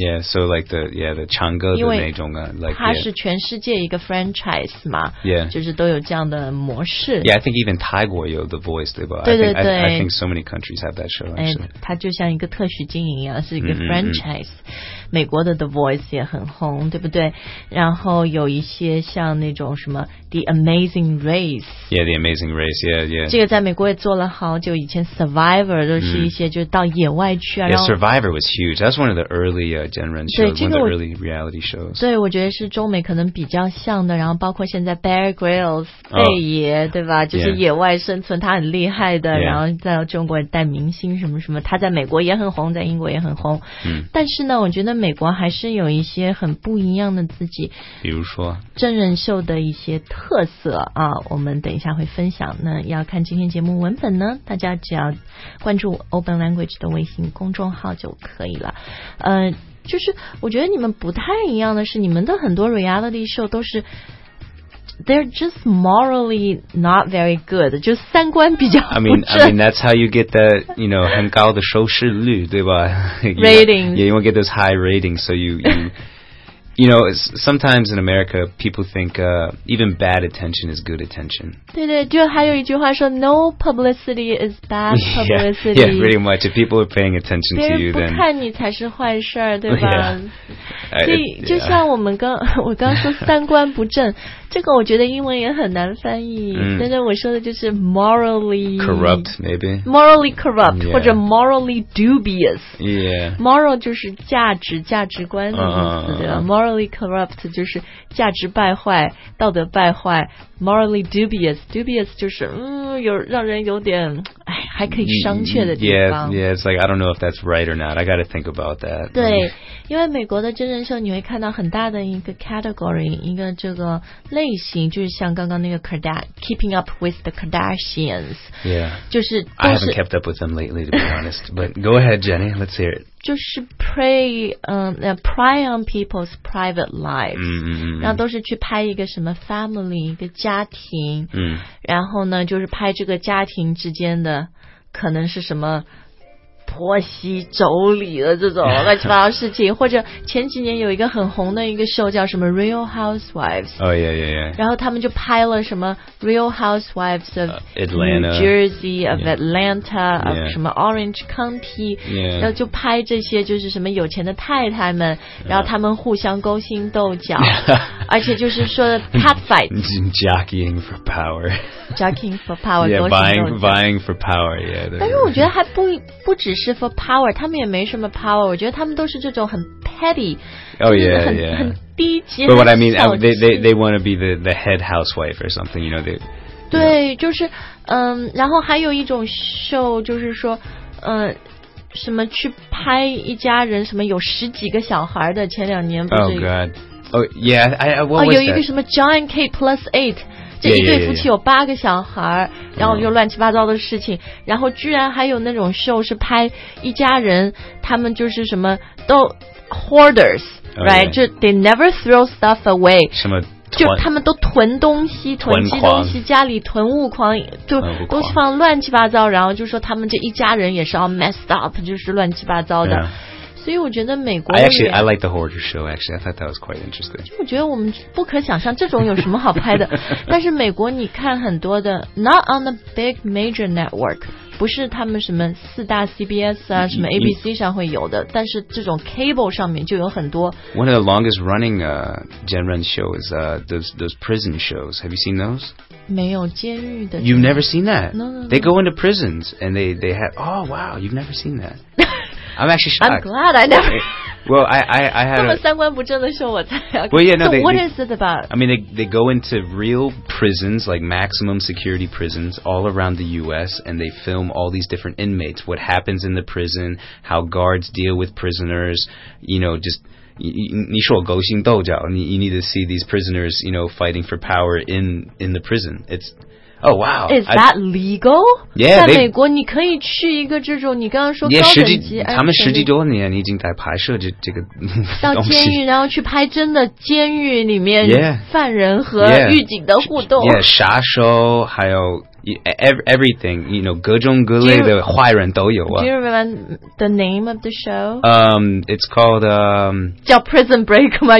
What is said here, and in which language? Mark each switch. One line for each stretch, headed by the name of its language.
English: yeah so like the yeah the
Chinese: 唱歌的那种、
English: like,
Chinese: 它是全世界一个 franchise 嘛
English: yeah
Chinese: 就是都有这样的模式
English: yeah I think even
Chinese: 泰国有
English: The Voice
Chinese: 对吧对对对
English: I think so many countries have that show、actually.
Chinese: 它就像一个特许经营一样是一个 franchise、美国的 The Voice 也很红对不对然后有一些像那种什么 The Amazing Race
English: yeah The Amazing Race yeah yeah
Chinese: 这个在美国也做了好久以前 Survivor 都是一些就是到野外去啊、
English: yeah, Survivor was huge that's one of the early gen run shows、
Chinese: 这个、
English: one of the early reality shows
Chinese: 对我觉得是中美可能比较像的然后包括现在 Bear Grylls 贝爷、对吧就是野外生存他很厉害的、
English: yeah.
Chinese: 然后在中国带明星什么什么他在美国也很红在英国也很红、但是呢我觉得那美国还是有一些很不一样的自己比如说真人秀的一些特色啊我们等一下会分享那要看今天节目文本呢大家只要关注 Open Language 的微信公众号就可以了就是我觉得你们不太一样的是你们的很多 reality show 都是
English: They're just morally not very good.
Chinese: 就三观比较不正。
English: I mean, that's how you get that, you know,
Chinese: 很高的收视率，对吧
English: ？Rating. Yeah, you want to get those high ratings, so you You know, sometimes in America, people think even bad attention is good attention.
Chinese: 对对，就还有一句话说 ，
English: No publicity is bad publicity. Yeah, yeah, pretty much. If people are paying attention to you, then
Chinese: 别人不看你才是坏事儿，对吧？
English: Yeah.
Chinese: 所以就像我们刚我刚说三观不正，这个我觉得英文也很难翻译。但是我说的就是 morally
English: corrupt, maybe morally corrupt、yeah.
Chinese: 或者
English: morally dubious. Yeah,
Chinese: moral 就是价值价值观的意思、对吧。 Morally corrupt 就是价值败坏，道德败坏。 Morally dubious, dubious 就是有让人有点哎，还可以商榷的地方。
English: Yeah, it's like I don't know if that's right or not. I got to think about that.
Chinese: 对，因为美国的真人秀你会看到很大的一个 category， 一个这个类型，就是像刚刚那个 Keeping Up with the Kardashians.
English: Yeah.
Chinese: 就是
English: I haven't kept up with them lately, to be honest. But go ahead, Jenny. Let's hear it.
Chinese: 就是
English: prey, prey on people's private lives、
Chinese: 然后都是去拍一个什么 family 一个家庭、然后呢就是拍这个家庭之间的可能是什么婆媳妯娌的这种乱七八糟事情或者前几年有一个很红的一个show叫什么 Real Housewives、然后他们就拍了什么 Real Housewives of
English: Atlanta,
Chinese: New Jersey, of Atlanta, of 什么 Orange County, 然后就拍这些就是什么有钱的太太们然后他们互相勾心斗角而且就是说 catfight
English: jockeying for power jockeying for power yeah, vying for power yeah,
Chinese: 但是我觉得还不只是 for power 他们也没什么 power 我觉得他们都是这种很 petty
English: But what I mean, they want to be the head housewife or something, you know. They,
Chinese: 对， you know. 就是，然后还有一种秀，就是说，什么去拍一家人，什么有十几个小孩的，前两年不是
English: ？Oh God! Oh yeah, what was
Chinese: 有一个什么 John K plus eight。这一对夫妻有八个小孩 然后又乱七八糟的事情、然后居然还有那种秀是拍一家人他们就是什么都 hoarders、right 就
English: they never throw stuff away
Chinese: 什么就他们都囤东西囤积东西家里囤物狂就东西放乱七八糟然后就说他们这一家人也是
English: all messed up
Chinese: 就是乱七八糟的、所以我觉得美国
English: I like the horror show actually I thought that was quite interesting
Chinese: 我觉得我们不可想象这种有什么好拍的但是美国你看很多的
English: not on the big major network
Chinese: 不是他们什么四大 CBS 啊什么 ABC 上会有的但是这种 cable 上面就有很多
English: one of the longest running genre show is those prison shows have you seen those
Chinese: 没有监狱的
English: you've never seen that no. they go into prisons and they have oh wow you've never seen thatI'm actually shocked. I'm glad I never... Well, I had...
Chinese: 这么三观不正的秀我才要
English: Well, yeah, no, so they... So what is it about? I mean, they go into real prisons, like maximum security prisons all around the U.S., and they film all these different inmates, what happens in the prison, how guards deal with prisoners, you know, just...
Chinese: 你说勾心斗角
English: you need to see these prisoners, you know, fighting for power in the prison. It's... Oh, wow. Is that legal? Yeah,
Chinese: 在美国你可以去一个这种你刚刚说高等级 yeah, 他们十几多年已经在拍摄这个到监狱然后去拍真的监狱里面
English: yeah,
Chinese: 犯人和狱警的互动 yeah, 杀手还有
English: everything, you know,
Chinese: 各种各类的坏人都有、
English: Do you remember the name of the show? It's called...
Chinese: 叫 Prison Break 吗?